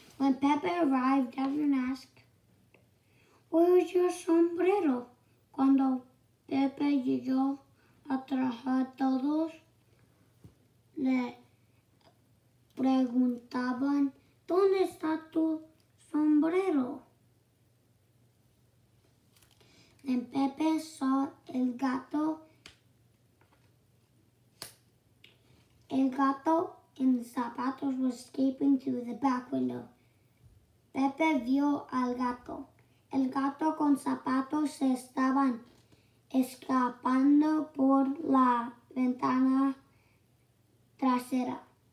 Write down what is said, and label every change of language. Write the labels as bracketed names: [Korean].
[English] When Pepe arrived, everyone asked, "Where's your sombrero?" [Spanish] Cuando Pepe llegó a trabajar, todos le preguntaban, "¿Dónde está tu sombrero?" [English] Then Pepe saw [Spanish] el gato. [English] And Zapatos was escaping through the back window. [Spanish] Pepe vio al gato. El gato con zapatos se estaban escapando por la ventana trasera.